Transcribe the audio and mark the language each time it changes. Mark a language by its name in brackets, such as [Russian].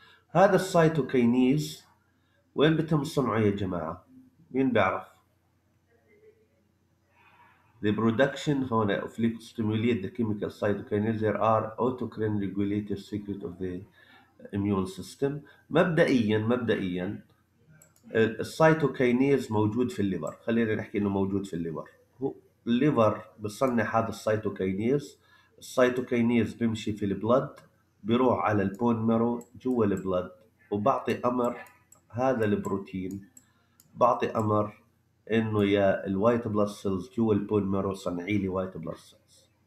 [Arabic] هذا السايتوكينيز وين بتم صنعه يا جماعة؟ مين بيعرف؟ [English] The production هون of leukocytes stimulate the chemical cytokines. There are autocrine regulators secret of the immune system. [Arabic] مبدئياً السيتوكينيز موجود في الليبر. خلينا نحكي إنه موجود في الليبر. هو الليبر بصنع هذا السيتوكينيز. السيتوكينيز بيمشي في البلد، بيروح على البون مارو جوا البلد، وبعطي أمر هذا البروتين، بعطي أمر انه يا الوايت بلد سيلز جوا البون مارو صنعي لي وايت بلد سيلز.